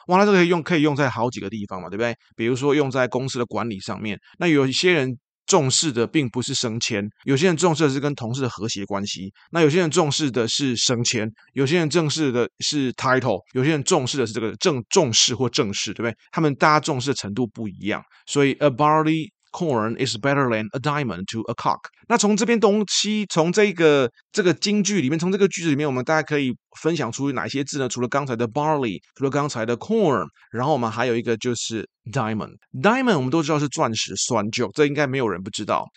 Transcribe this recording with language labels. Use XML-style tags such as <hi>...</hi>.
<zh>哇，那这个可以用在好几个地方嘛，对不对？比如说用在公司的管理上面，那有些人重视的并不是升迁，有些人重视的是跟同事的和谐关系，那有些人重视的是升迁，有些人重视的是 title， 有些人重视的是这个重视或正式，对不对？他们大家重视的程度不一样，所以</zh> <en>a barley corn is better than a diamond to a cock。</en> <zh>那从这边东西，从这个金句里面，从这个句子里面，我们大家可以分享出哪些字呢？除了刚才的 barley， 除了刚才的 corn， 然后我们还有一个就是 diamond。 diamond 我们都知道是钻石，酸臼，这应该没有人不知道。</zh>